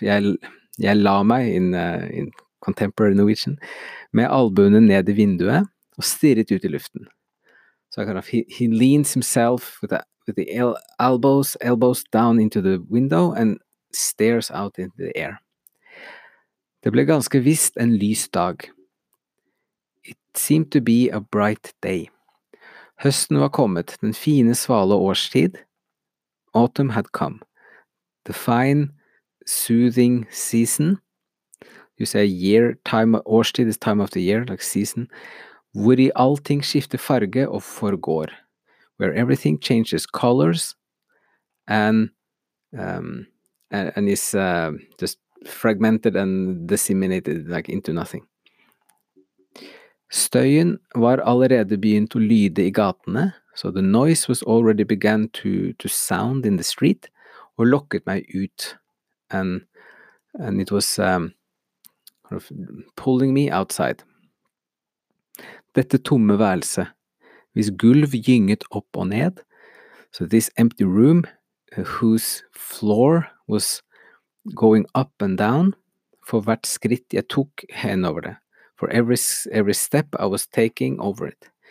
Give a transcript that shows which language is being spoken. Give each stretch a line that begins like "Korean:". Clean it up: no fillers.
Norwegian: Jeg la meg
English: in contemporary Norwegian
Norwegian: med albuene ned I vinduet og stirret ut I luften.
English: So kind of he leans himself with the elbows down into the window and stares out into the air.
Norwegian: Det ble ganske visst en lys dag.
English: It seemed to be a bright day.
Norwegian: Høsten var kommet, den fine svale årstid.
English: Autumn had come. The fine, soothing season. You say year, time, årstid is time of the year, like season.
Norwegian: Hvor I allting skifter farge og forgår.
English: Where everything changes colors and is just fragmented and disseminated, like into nothing.
Norwegian: Støyen var allerede begynt å lyde I gatene.
English: So the noise was already began to sound in the street.
Norwegian: Og lokket meg ut,
English: and it was kind of pulling me outside.
Norwegian: Dette tomme værelse, hvis gulv gynget opp og ned,
English: so this empty room, whose floor was going up and down,
Norwegian: for hvert skritt jeg tok hen over det,
English: for every step I was taking over it.